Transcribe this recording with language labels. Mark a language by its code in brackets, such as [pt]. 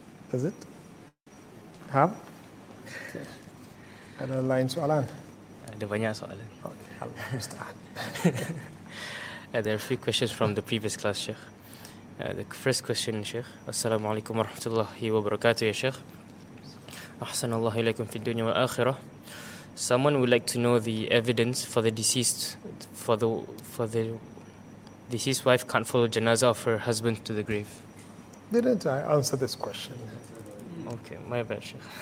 [en] Does it? Have? [ms] Ada lain soalan? Ada banyak soalan. [en] Okay. There are a few questions from the previous class, Sheikh. The first question, Sheikh. [ar] Assalamu alaikum wa rahmatullahi wa barakatuh, ya Sheikh. أحسن الله إليكم في الدنيا والآخرة. [en] Someone would like to know the evidence for the deceased, for the deceased wife can't follow janazah of her husband to the grave. Didn't I answer this question? Okay, my bad, Sheikh.